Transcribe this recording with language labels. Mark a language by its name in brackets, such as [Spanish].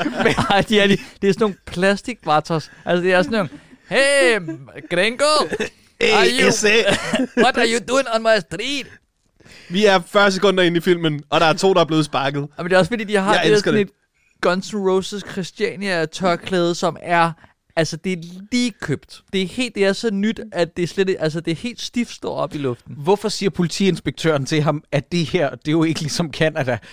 [Danish] Ej, det er sådan nogle plastik-vatos. Altså, det er sådan nogle... [English] Hey, gringo! Hey, SA! What are you doing on my street? [Danish] Vi er 40 sekunder ind i filmen, og der er to, der er blevet sparket. Ja, men det er også fordi, de har det sådan et Guns N' Roses Christiania-tørklæde, som er... Altså, det er lige købt. Det er så nyt, at det er slet ikke... Altså, det er helt stift står op i luften. Hvorfor siger politiinspektøren til ham, at det her, det er jo ikke ligesom Canada?